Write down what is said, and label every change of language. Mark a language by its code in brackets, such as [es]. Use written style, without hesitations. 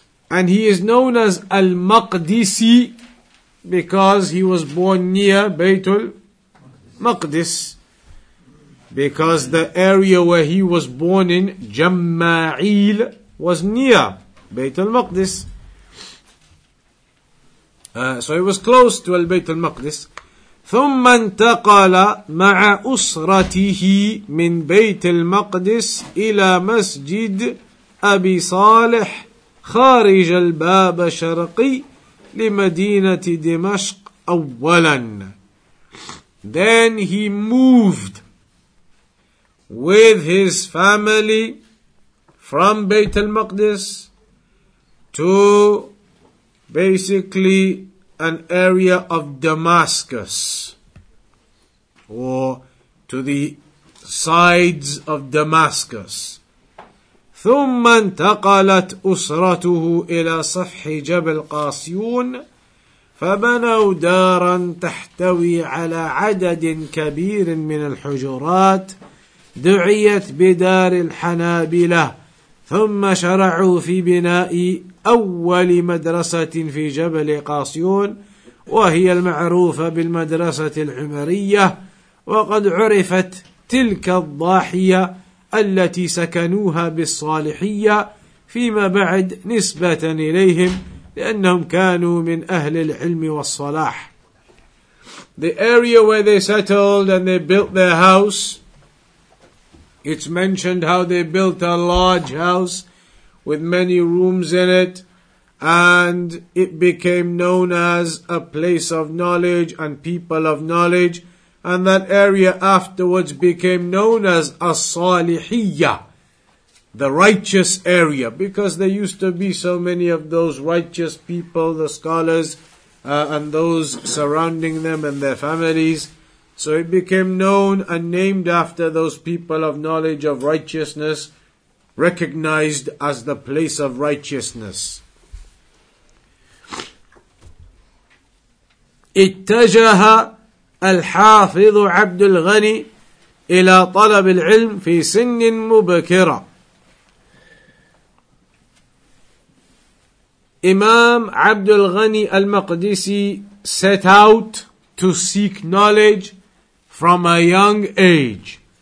[en] And he is known as al-Maqdisi because he was born near Baytul Maqdis, because the area where he was born in, Jamma'il, was near Baytul Maqdis. So he was close to al-Baytul Maqdis. [ar] ثم انتقل مع أسرته من بيت المقدس إلى مسجد أبي صالح خارج الباب الشرقي لمدينة دمشق أولا. [en] Then he moved with his family from بيت المقدس to basically an area of Damascus, or to the sides of Damascus. [ar] ثم انتقلت أسرته إلى صفح جبل قاسيون فبنوا دارا تحتوي على عدد كبير من الحجرات دعيت بدار الحنابلة ثم شرعوا في بناء أول مدرسة في جبل قاسيون وهي المعروفة بالمدرسة العمرية وقد عرفت تلك الضاحية التي سكنوها بالصالحية فيما بعد نسبة إليهم لأنهم كانوا من أهل العلم والصلاح. [en] The area where they settled and they built their house, it's mentioned how they built a large house with many rooms in it, and it became known as a place of knowledge and people of knowledge. And that area afterwards became known as as-salihiyyah, the righteous area, because there used to be so many of those righteous people, the scholars, and those surrounding them and their families. So it became known and named after those people of knowledge of righteousness, recognized as the place of righteousness. [ar] اتجاه الحافظ عبد الغني إلى طلب العلم في سن مبكرة. [en] Imam عبد الغني المقدسي set out to seek knowledge from a young age.